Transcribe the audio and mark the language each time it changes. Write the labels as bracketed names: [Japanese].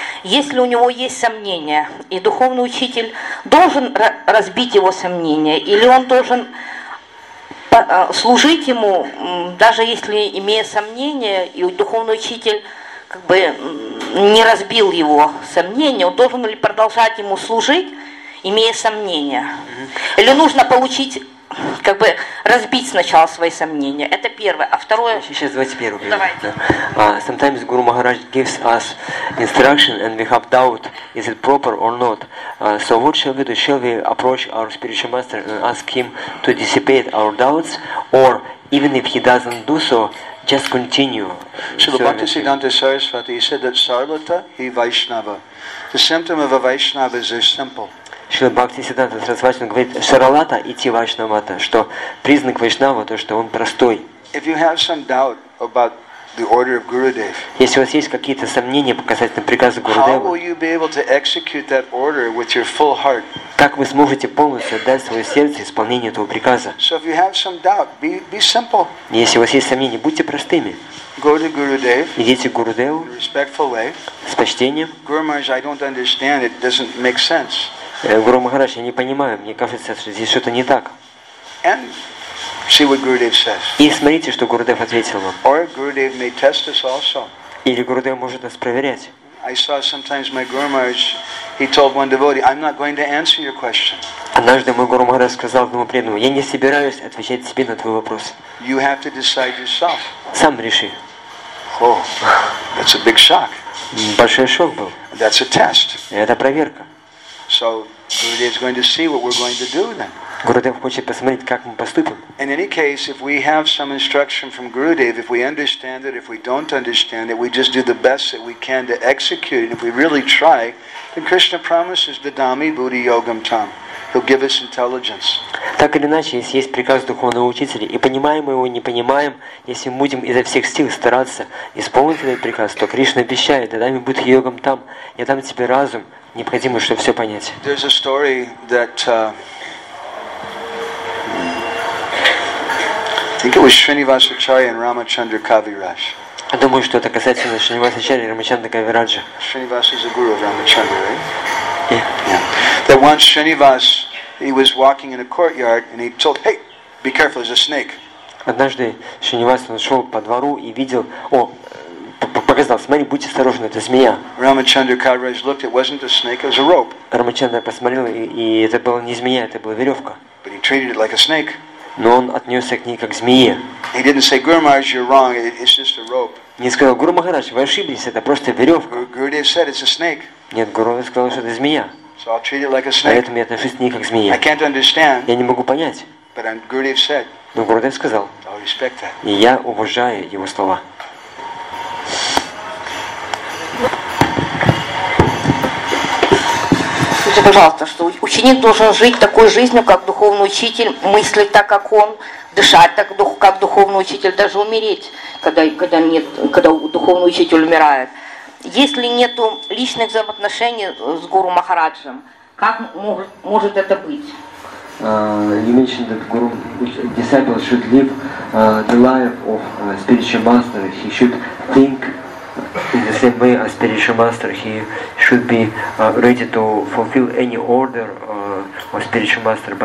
[Russian] Если у него есть сомнения, и духовный учитель должен разбить его сомнения, или он должен служить ему, даже если имея сомнения, и духовный учитель как бы не разбил его сомнения, он должен ли продолжать ему служить, имея сомнения? Mm-hmm. Или нужно получить, как бы разбить сначала свои сомнения? Это первое. А второе. Сейчас давайте первое. Давайте. [English] Sometimes Guru Maharaj gives us instruction and we have doubt, is it proper or not. So what shall we do? Shall we approach our spiritual master and ask him to dissipate our doubts? Or even if he doesn't do so, just continue. Srila Bhaktisiddhanta Saraswati, he said that Sarlata hi Vaishnava. The symptom of a Vaishnava is very simple. [Russian] Шрила Бхактисиддханта Сарасвати говорит, Саралата идти Вайшнавата, что признак Вайшнава, то, что он простой. [English] If you have some doubt about the order of Gurudev, [Russian] если у вас есть какие-то сомнения по касательно приказа Гурудева, [English] how will you be able to execute that order with your full heart? [Russian] Как вы сможете полностью отдать свое сердце исполнению этого приказа? [English] So if you have some doubt, be simple. [Russian] Если у вас есть сомнения, будьте простыми. [English] Go to Gurudev. [Russian] Идите к Гурудеву. [English] In a respectful way. [Russian] С почтением. [English] Guru Maharaj, I don't understand. It doesn't make sense. [Russian] Гуру Махарадж, я не понимаю, мне кажется, что здесь что-то не так. [English] And see what Gurudev says. [Russian] И смотрите, что Гурудев ответил вам. [English] Or Gurudev may test us also. [Russian] Или Гурудев может нас проверять. [English] I saw sometimes my Guru Maharaj, he told one devotee, I'm not going to answer your question. [Russian] Однажды мой Гуру Махарадж сказал одному преданному, я не собираюсь отвечать тебе на твой вопрос. [English] You have to decide yourself. [Russian] Сам реши. [English] Oh, that's a big shock. [Russian] Большой шок был. [English] That's a test. [Russian] Это проверка. [English] So Gurudev is going to see what we're going to do then. [Russian] Гурудев хочет посмотреть, как мы поступим. [English] In any case, if we have some instruction from Gurudev, if we understand it, if we don't understand it, we just do the best that we can to execute. And if we really try, then Krishna promises the Dhammi Buddhi Yogam Tam. He'll give us intelligence. [Russian] Так или иначе, если есть приказ духовного учителя, и понимаем мы его, не понимаем, если мы будем изо всех сил стараться исполнить этот приказ, то Кришна обещает, да Дхамми Буддхи Йогам Там, я дам тебе разум, необходимо, чтобы все понять. [English] There's a story that I think it was Srinivas Acharya and Ramachandra Kaviraj. [Russian] Я думаю, что это касательно Шринивас Ачарьи и Рамачандра Кавираджа. [English] Шринивас is a guru of Рамачандра, right? Yeah. That once Srinivas, he was walking in a courtyard and he told, hey, be careful, there's a snake. [Russian] Однажды Шринивас шел по двору и видел, о, показал, смотри, будь осторожен, это змея. [English] Рамачандра Кавираджа looked, it wasn't a snake, it was a rope. [Russian] Рамачандра посмотрел, и это была не змея, это была веревка. [English] But he treated it like a snake. [Russian] Но он отнесся к ней как к змее. [English] He didn't say, Guru Maharaj, you're wrong, it's just a rope. [Russian] Не сказал, Гуру Махарадж, вы ошиблись, это просто веревка. [English] Gurudev said, it's a snake. [Russian] Нет, Гурудев сказал, что это змея. [English] So I'll treat it like a snake. [Russian] Поэтому я отношусь к ней как к змее. [English] I can't understand. [Russian] Я не могу понять. [English] But Gurudev said. [Russian] Но Гурудев сказал. [English] I'll respect that. [Russian] И я уважаю его слова. Скажите, пожалуйста, что ученик должен жить такой жизнью, как духовный учитель, мыслить так, как он, дышать так, как духовный учитель, даже умереть, когда духовный учитель умирает. Если нету личных взаимоотношений с Гуру Махараджем, как может это быть? [English] You mentioned that Guru disciple should live the life of spiritual master. He should think in the same way as spiritual master. He should be ready to fulfill any order of spiritual master.